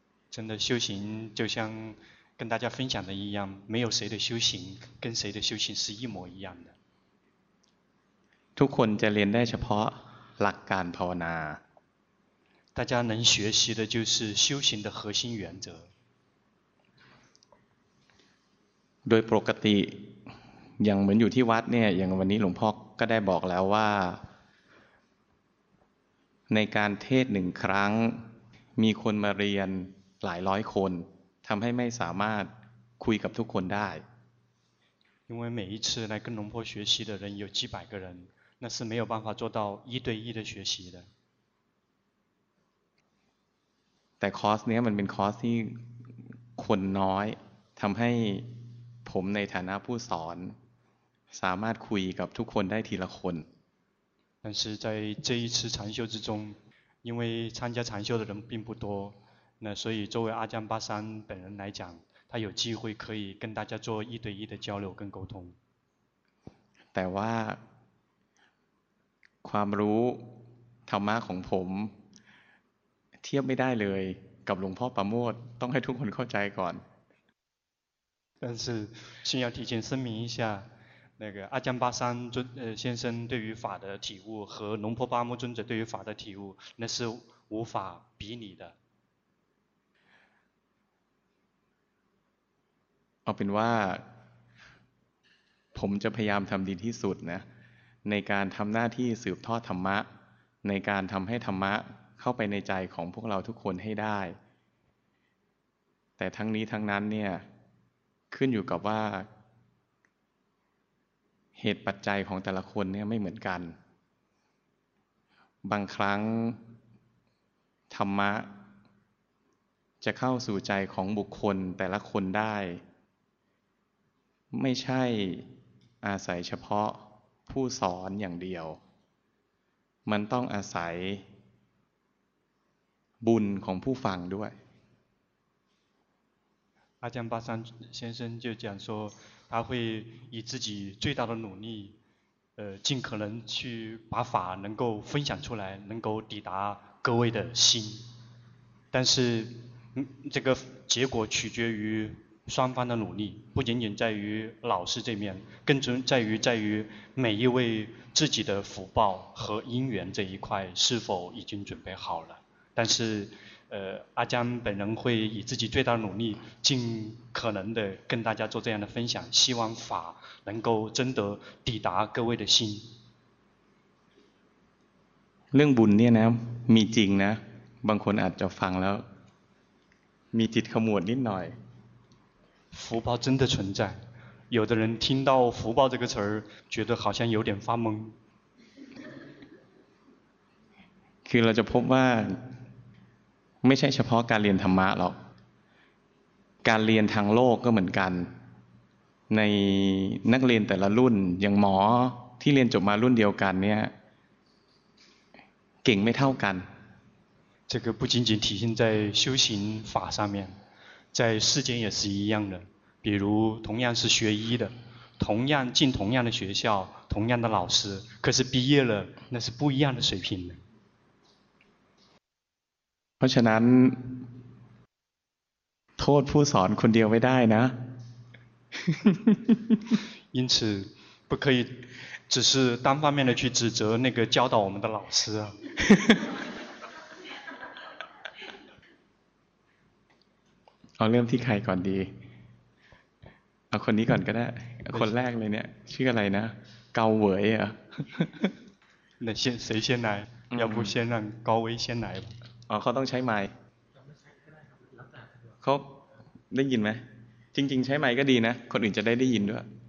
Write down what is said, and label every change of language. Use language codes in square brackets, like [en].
[zh] 真的修行就像跟大家分享的一样没有谁的修行跟谁的修行是一模一样的 [th] ทุกคนจะเรียนได้เฉพาะหลักการภาวนา [zh] 大家能学习的就是修行的核心原则 [th] โดยปกติอย่างเหมือนอยู่ที่วัดเนี่ยอย่างวันนี้หลวงพ่อก็ได้บอกแล้วว่าในการเทศหนึ่งครั้งมีคนมาเรียนหลายร้อยคนทำให้ไม่สามารถคุยกับทุกคนได้ [zh] 因为每一次来跟龙坡学习的人有几百个人那是没有办法做到一对一的学习的 [th] แต่คอร์สเนี้ยมันเป็นคอร์สที่คนน้อยทำให้ผมในฐานะผู้สอนสามารถคุยกับทุกคนได้ทีละคน [zh] 但是在这一次禅修之中因为参加禅修的人并不多那所以作为阿江巴山本人来讲他有机会可以跟大家做一对一的交流跟沟通 [th] แต่ว่าความรู้ธรรมะของผมเทียบไม่ได้เลยกับหลวงพ่อประโมทต้องให้ทุกคนเข้าใจก่อน [zh] 但是先要提前声明一下那个阿江巴山先生对于法的体悟和龙婆巴木尊者对于法的体悟那是无法比拟的 [th] เอาเป็นว่าผมจะพยายามทำดีที่สุดนะในการทำหน้าที่สืบทอดธรรมะในการทำให้ธรรมะเข้าไปในใจของพวกเราทุกคนให้ได้แต่ทั้งนี้ทั้งนั้นเนี่ยขึ้นอยู่กับว่า เหตุปัจจัยของแต่ละคนเนี่ยไม่เหมือนกันบางครั้งธรรมะจะเข้าสู่ใจของบุคคลแต่ละคนได้ไม่ใช่อาศัยเฉพาะผู้สอนอย่างเดียวมันต้องอาศัยบุญของผู้ฟังด้วย [zh] 阿江巴山先生就讲说他会以自己最大的努力尽可能去把法能够分享出来能够抵达各位的心但是这个结果取决于双方的努力不仅仅在于老师这面更在于每一位自己的福报和因缘这一块是否已经准备好了但是阿江本人会以自己最大的努力尽可能的跟大家做这样的分享希望法能够真的抵达各位的心 [th] เรื่องบุญเนี่ยนะมีจริงนะบางคนอาจจะฟังแล้วมีจิตขมวดนิดหน่อย [zh] 福报真的存在有的人听到福报这个词觉得好像有点发懵 [th] คือเราจะพบว่าไม่ใช่เฉพาะการเรียนธรรมะหรอกการเรียนทางโลกก็เหมือนกันในนักเรียนแต่ละรุ่นอย่างหมอที่เรียนจบมารุ่นเดียวกันเนี่ยเก่งไม่เท่ากัน [zh] 这个不仅仅体现在修行法上面在世间也是一样的比如同样是学医的同样进同样的学校同样的老师可是毕业了那是不一样的水平的 [th] เพราะฉะนั้นโทษผู้สอนคนเดียวไม่ได้นะ [zh] 因此不可以只是单方面的去指责那个教导我们的老师啊。 [th] เอาเริ่มที่ใครก่อนดีเอาคนนี้ก่อนก็ได้คนแรกเลยเนี่ยชื่ออะไรนะเกาเหวยอ่ะ [zh] 那先谁先来要不先让高威先来 [th] เขาต้องใช้ไมค์เขาได้ยินไหมจริงๆใช้ไมค์ก็ดีนะคนอื่นจะได้ได้ยินด้วย